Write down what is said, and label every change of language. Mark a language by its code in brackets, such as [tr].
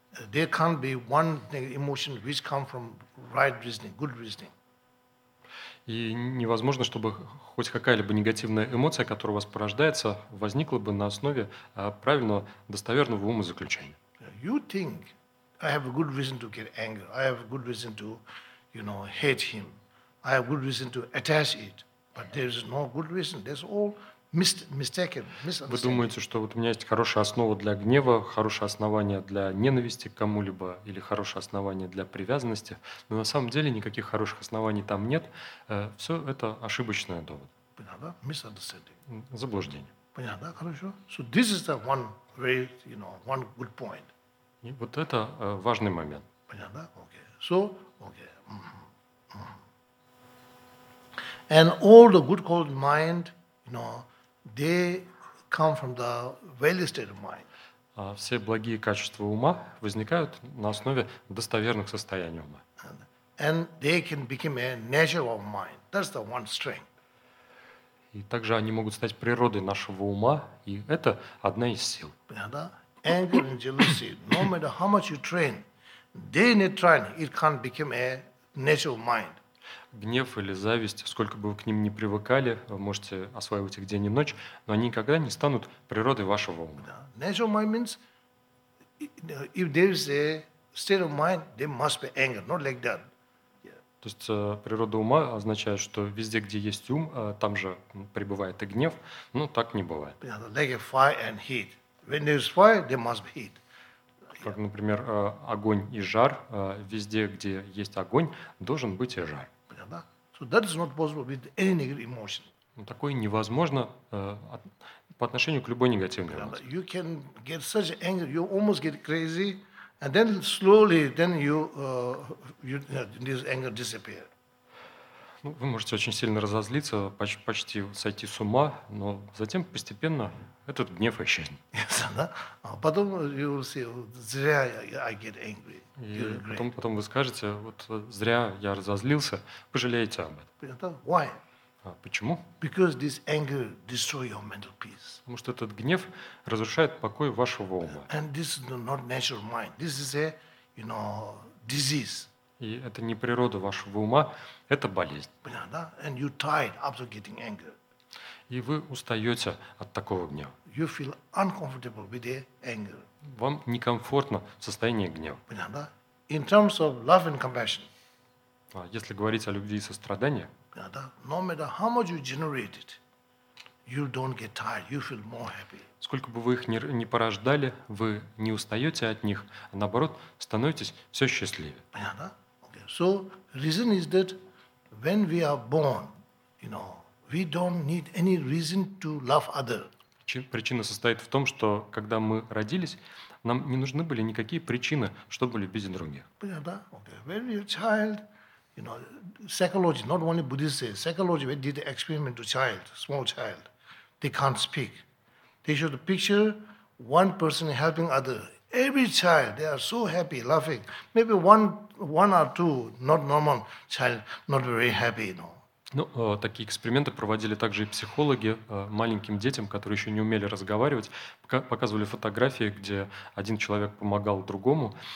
[en] There can't be one negative emotion which come from right reasoning, good reasoning. [ru] И невозможно, чтобы хоть какая-либо негативная эмоция, которая у вас порождается, возникла бы на основе правильного, достоверного умозаключения. [en] You think I have a good reason to get angry. I have a good reason to, you know, hate him. I have good reason to attach it. But there is no good reason. There's all mistaken, misunderstanding. [ru] Вы думаете, что вот у меня есть хорошая основа для гнева, хорошее основание для ненависти к кому-либо или хорошее основание для привязанности, но на самом деле никаких хороших оснований там нет. Все это ошибочное довод. Понятно? [en] Misunderstanding. [ru] Заблуждение. Понятно? Хорошо. [en] So this is the one very, you know, one good point. [ru] И вот это важный момент. Понятно? [en] Okay. So, okay. And all the good called mind, you know, they come from the valid state of mind. [ru] Все благие качества ума возникают на основе достоверных состояний ума. [en] And they can become a natural mind. That's the one strength. [ru] И также они могут стать природой нашего ума, и это одна из сил. Понятно? [en] Anger and jealousy, no matter how much you train, they need training. It can't become a natural mind. [ru] Гнев или зависть, сколько бы вы к ним ни привыкали, вы можете осваивать их день и ночь, но они никогда не станут природой вашего ума. [en] Natural mind means, if there is a state of mind, there must be anger, not like that. [ru] То есть природа ума означает, что везде, где есть ум, там же пребывает и гнев, но так не бывает. [en] Like a fire and heat. When there is fire, there must be heat. [ru] Как, например, огонь и жар. Везде, где есть огонь, должен быть и жар. [en] So that is not possible with any negative emotion. [ru] Такое невозможно по отношению к любой негативной эмоции. [en] You can get such anger, you almost get crazy, and then slowly, then this anger disappears. [ru] Вы можете очень сильно разозлиться, почти сойти с ума, но затем постепенно этот гнев исчезнет. Потом [en] you will say, [ru] зря [en] I get angry. [ru] Потом вы скажете, вот зря я разозлился, пожалеете об этом. [en] Why? [ru] Почему? [en] Because this anger destroys your mental peace. [ru] Потому что этот гнев разрушает покой вашего ума. [en] And this is not natural mind. This is a, you know, disease. [ru] И это не природа вашего ума, это болезнь. Понятно? [en] And you're tired after getting angry. [ru] И вы устаете от такого гнева. [en] You feel uncomfortable with the anger. [ru] Вам некомфортно в состоянии гнева. Понятно? [en] In terms of love and compassion. [ru] Если говорить о любви и сострадании. Понятно? [en] No matter how much you generate it, you don't get tired. You feel more happy. [ru] Сколько бы вы их ни порождали, вы не устаете от них, а наоборот, становитесь все счастливее. Понятно? [en] Okay. So, reason is that when we are born, you know, we don't need any reason to love other. [ru] Причина состоит в том, что когда мы родились, нам не нужны были никакие причины, чтобы любить других. Понятно? [en] Okay. When we are child, you know, psychology, not only Buddhists say, psychology, we did the experiment to child, small child. They can't speak. They show the picture, one person helping other. Every child, they are so happy, laughing. Maybe one or two, not normal child, not very happy, you know. [ru] Ну, такие эксперименты проводили также и психологи маленьким детям, которые еще не умели разговаривать. Показывали фотографии, где один человек помогал другому.